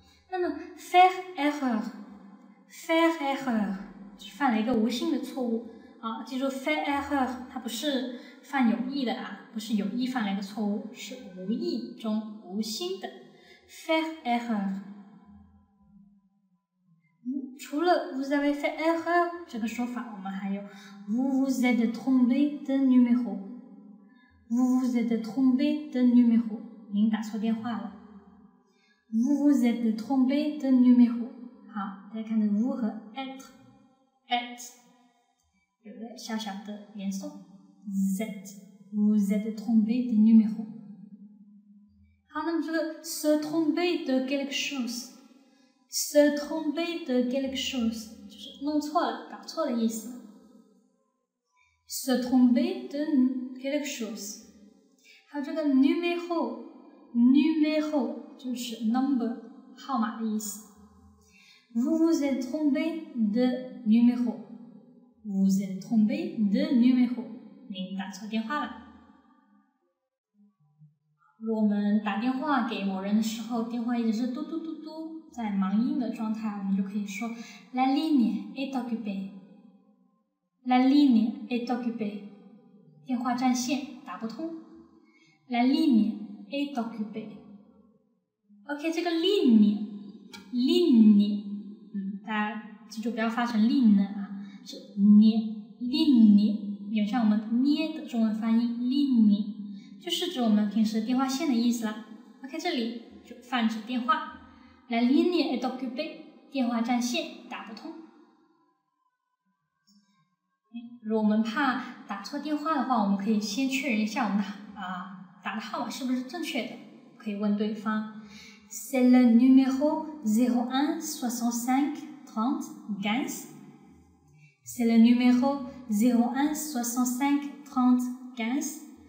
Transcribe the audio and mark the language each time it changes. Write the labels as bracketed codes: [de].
[zh] 那么 [fr] faire erreur [zh] 就犯了一个无性的错误啊。记住 [fr] faire erreur [zh] 它不是犯有意的啊。不是有意犯了一个错误，是无意中无心的 [fr] faire erreur。 [zh] 除了 [fr] vous avez fait erreur [zh] 这个说法，我们还有 [fr] vous vous êtes trompé de numéro， [zh] vous vous êtes trompé de numéro， 您打错电话了。 [fr] Vous vous êtes trompé de numéro。 [zh] 好，大家看到 vous 和 at 有个小小的连诵 z， [fr] vous êtes trompé de numéro。 [zh] 好，那么这个 [fr] se tromper de quelque chose， [zh] se tromper de quelque chose 就是弄错了、搞错的意思。 [fr] se tromper de quelque chose。 [zh] 还有这个 numéro， numéro。就是 number 号码的意思。 [fr] Vous vous êtes trompé de numéro. Vous vous êtes trompé de numéro. [zh] 您打错电话了。我们打电话给某人的时候，电话一直是嘟嘟嘟嘟，在忙音的状态，我们就可以说 La ligne est occupée. [fr] La ligne est occupée. [zh] 电话占线，打不通。 [fr] La ligne est occupée. [zh] OK， 这个 ligne， 大家记住不要发成 ligne 啊，是 ligne， 有像我们捏的中文发音 ligne， 就是指我们平时电话线的意思了。 OK， 这里就泛指电话。 [fr] La ligne est occupée， [zh] 电话占线，打不通。如果我们怕打错电话的话，我们可以先确认一下我们的打的号码是不是正确的，可以问对方。 [fr] C'est le numéro 01-65-30-15. C'est le numéro 01-65-30-15.